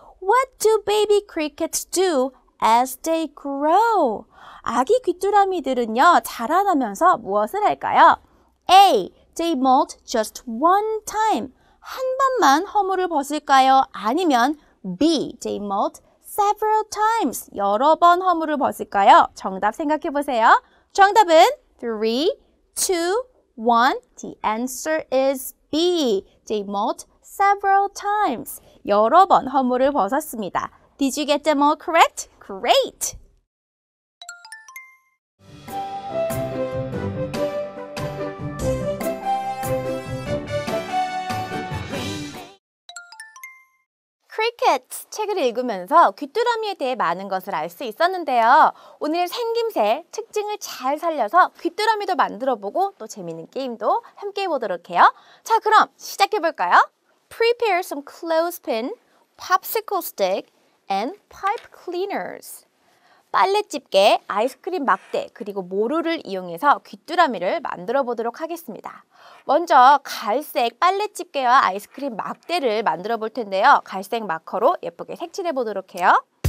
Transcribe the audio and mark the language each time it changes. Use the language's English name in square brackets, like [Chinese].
[English] What do baby crickets do as they grow? [Korean] 아기 귀뚜라미들은요, 자라나면서 무엇을 할까요? [English] A. They molt just one time. [Korean] 한 번만 허물을 벗을까요? 아니면 [English] B. They molt several times. [Korean] 여러 번 허물을 벗을까요? 정답 생각해 보세요. 정답은 3, 2, 1. [English] The answer is B. They molt several times. [Korean] 여러 번 허물을 벗었습니다. [English] Did you get them all correct? Great! Crickets! [Korean] 책을 읽으면서 귀뚜라미에 대해 많은 것을 알 수 있었는데요. 오늘 생김새, 특징을 잘 살려서 귀뚜라미도 만들어보고 또 재미있는 게임도 함께 해보도록 해요. 자, 그럼 시작해볼까요? [English] Prepare some clothespin, popsicle stick, and pipe cleaners. [Korean] 빨래집게, 아이스크림 막대, 그리고 모루를 이용해서 귀뚜라미를 만들어보도록 하겠습니다. 먼저 갈색 빨래집게와 아이스크림 막대를 만들어 볼 텐데요. 갈색 마커로 예쁘게 색칠해 보도록 해요.